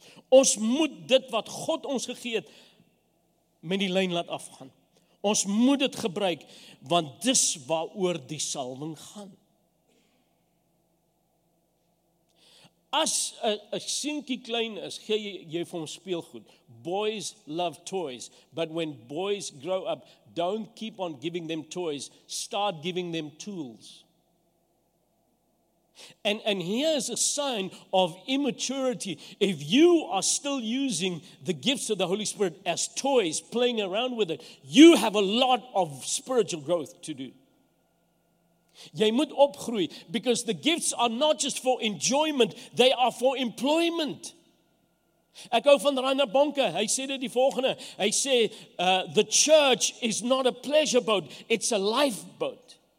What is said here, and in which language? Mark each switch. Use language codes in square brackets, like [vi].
[af] Ons moet dit wat God ons gegee het, met die lyn laat afgaan. Ons moet dit gebruik, want dis waaroor die salwing gaan. As 'n seentjie klein is, gee jy vir hom speelgoed. [en] Boys love toys, but when boys grow up, don't keep on giving them toys, start giving them tools. And here's a sign of immaturity. If you are still using the gifts of the Holy Spirit as toys, playing around with it, you have a lot of spiritual growth to do. [af] Jy moet opgroei, [en] because the gifts are not just for enjoyment, they are for employment. [af] Ek hou van Rainer Bonke, hy sê dit die volgende. Hy sê, [en] the church is not a pleasure boat, it's a lifeboat.